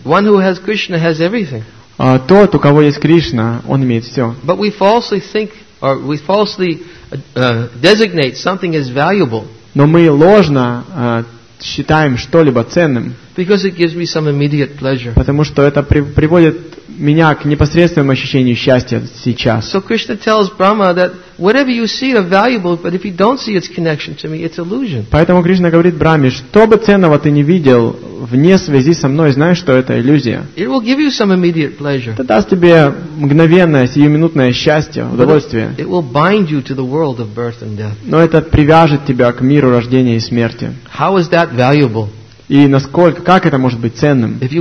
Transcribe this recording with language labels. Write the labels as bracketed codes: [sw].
[en] One who has Krishna has everything. [ru] Тот, у кого есть Кришна, он имеет все. [en] But we falsely think, or we falsely designate something as valuable. [ru] Но мы ложно считаем что-либо ценным. [en] Because it gives me some immediate pleasure. [ru] Потому что это приводит меня к непосредственному ощущению счастья сейчас. [en] So Krishna tells Brahma that whatever you see is valuable, but if you don't see its connection to me, it's illusion. [ru] Поэтому Кришна говорит Брахме, что бы ценного ты не видел вне связи со мной, знаешь, что это иллюзия. [en] It will give you some immediate pleasure. [ru] Это даст тебе мгновенное, сиюминутное счастье, удовольствие. [en] It will bind you to the world of birth and death. [ru] Но это привяжет тебя к миру рождения и смерти. [en] How is that valuable? [ru] И насколько, как это может быть ценным?